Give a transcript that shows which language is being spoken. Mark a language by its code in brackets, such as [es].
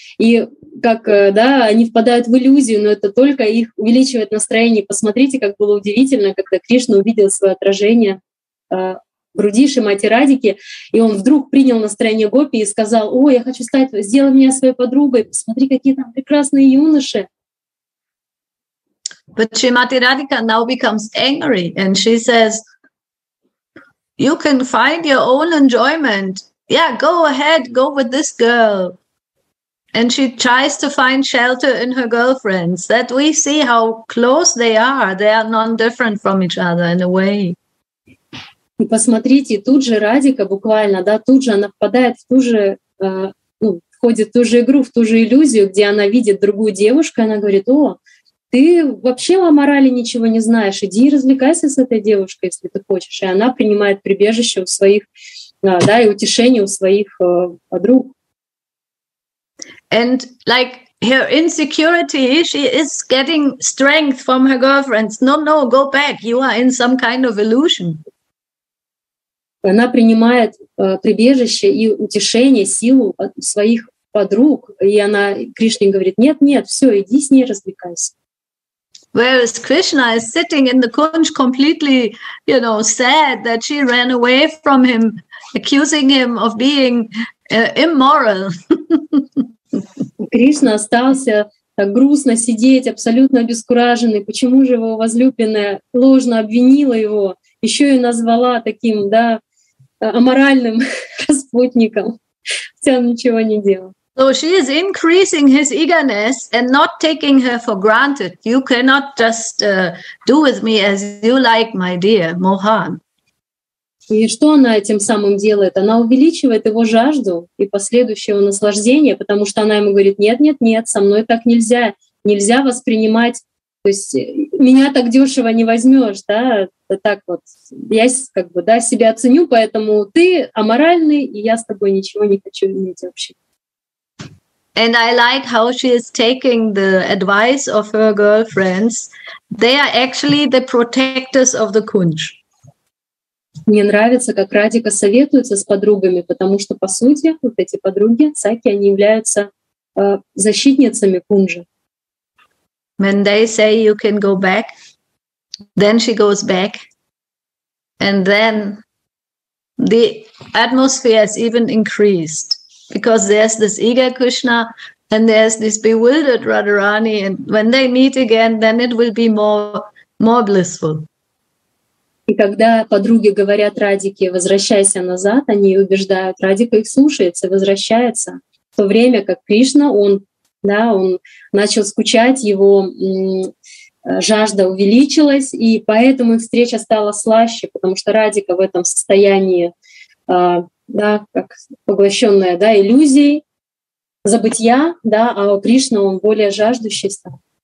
[ru] И как, да, они впадают в иллюзию, но это только их увеличивает настроение. Посмотрите, как было удивительно, когда Кришна увидел свое отражение в груди Шримати Радики, и он вдруг принял настроение гопи и сказал: «О, я хочу стать, сделай меня своей подругой, посмотри, какие там прекрасные юноши». [en] But Srimati Radhika now becomes angry and she says, you can find your own enjoyment. Yeah, go ahead, go with this girl. And she tries to find shelter in her girlfriends. That we see how close they are non-different from each other in a way. [ru] И посмотрите, тут же Радика буквально, да, тут же она впадает в ту же, ну, входит в ту же игру, в ту же иллюзию, где она видит другую девушку, и она говорит: о, ты вообще о морали ничего не знаешь. Иди и развлекайся с этой девушкой, если ты хочешь. И она принимает прибежище у своих, да, и утешение у своих подруг. [en] And like her insecurity, she is getting strength from her girlfriends. No, no, go back. You are in some kind of illusion. [ru] Она принимает прибежище и утешение, силу от своих подруг. И она, Кришне говорит: нет, нет, все, иди с ней развлекайся. [en] Whereas Krishna is sitting in the kunj completely, you know, sad that she ran away from him, accusing him of being immoral. [ru] Krishna остался так грустно сидеть, абсолютно обескураженный. Почему же его возлюбленная ложно обвинила его, еще и назвала таким, да, аморальным распутником? все ничего не делал. [en] So she is increasing his eagerness and not taking her for granted. You cannot just do with me as you like, my dear Mohan. [ru] И что она этим самым делает? Она увеличивает его жажду и последующее наслаждение, потому что она ему говорит: нет, нет, нет, со мной так нельзя, нельзя воспринимать, то есть меня так дешево не возьмешь, да? Так вот я как бы да себя оценю, поэтому ты аморальный и я с тобой ничего не хочу иметь вообще. [en] And I like how she is taking the advice of her girlfriends. They are actually the protectors of the Kunj. [ru] Мне нравится, как Радика советуется с подругами, потому что, по сути, вот эти подруги, Саки, они являются защитницами Кунжа. [en] When they say you can go back, then she goes back. And then the atmosphere is even increased. Because there's this eager Krishna and there's this bewildered Radharani, and when they meet again, then it will be more blissful. [ru] И когда подруги говорят Радике: возвращайся назад, они убеждают, Радика их слушается, возвращается. В то время как Кришна, он, да, он начал скучать, его жажда увеличилась, и поэтому их встреча стала слаще, потому что Радика в этом состоянии, да, как поглощенная, да, иллюзией забытья, да, а у Кришны он более жаждущий стал.